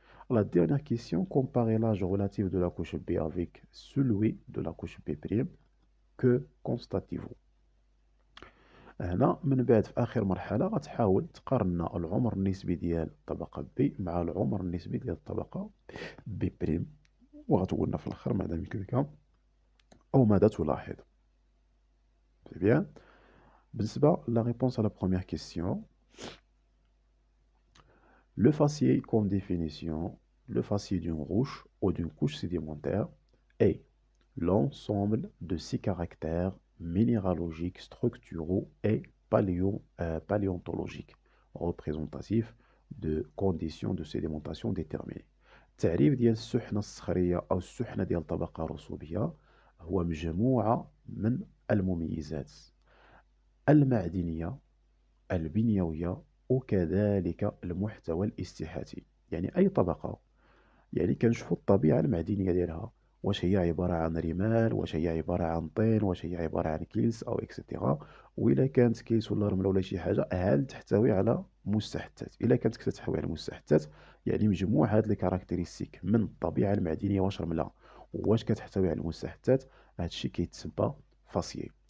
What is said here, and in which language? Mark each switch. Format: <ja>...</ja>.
<fr>La dernière question, comparer l'âge relatif de la couche B avec celui de la couche B'. Que constatez-vous?</fr> <ar>هنا من بعد في آخر مرحلة غتحاول تقارن العمر النسبي ديال الطبقة B مع العمر النسبي ديال الطبقة B'. وغتقولنا في الآخر ماذا يمكنك أو ماذا تلاحظ. بالنسبة</ar> <fr>لا ريبونس على بروميير كيسيون، لو فاسيي كوم ديفينيسيون. Le fascie d'une couche ou d'une couche sédimentaire est l'ensemble de six caractères minéralogiques, structuraux et paléontologiques représentatifs de conditions de sédimentation déterminées.</fr> <ar>تعريف ديال السحنة الصخرية أو السحنة ديال الطبقة الرسوبية هو مجموعة من المميزات المعدنية البنيوية وكذلك المحتوى الاستحاتي. يعني أي طبقة، يعني كنشوفوا الطبيعه المعدنيه ديالها، واش هي عباره عن رمال، واش هي عباره عن طين، واش هي عباره عن كيس او اكسيتيرا، وإذا كانت كيس ولا رمل ولا شي حاجه، هل تحتوي على مستحثات؟ إذا كانت تحتوي على مستحثات، يعني مجموعه هاد لي كاركتيريستيك من الطبيعه المعدنيه، واش رمله واش كتحتوي على المستحثات، هادشي كيتسمى فاسيي.</ar>